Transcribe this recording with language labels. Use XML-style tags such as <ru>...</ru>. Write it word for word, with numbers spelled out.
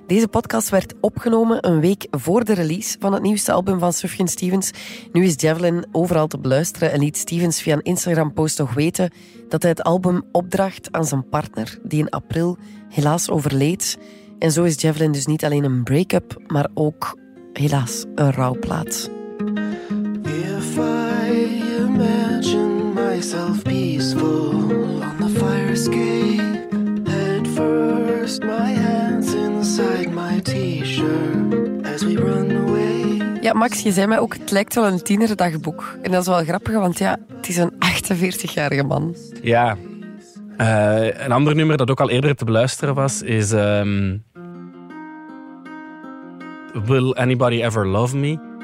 <nl>Deze podcast werd opgenomen een week voor de release van het nieuwste album van Sufjan Stevens. Nu is Javelin overal te beluisteren en liet Stevens via een Instagram-post nog weten dat hij het album opdraagt aan zijn partner, die in april helaas overleed. En zo is Javelin dus niet alleen een break-up, maar ook, helaas, een rouwplaat.</nl> <en>If I imagine myself peaceful on the fire escape, head first, my hands inside my t-shirt as we run away.</en> <nl>Ja, Max, je zei mij ook, het lijkt wel een tienerdagboek. En dat is wel grappig, want ja, het is een achtenveertigjarige man. Ja. Uh, een ander nummer dat ook al eerder te beluisteren was, is... Um, Will Anybody Ever Love Me?</nl>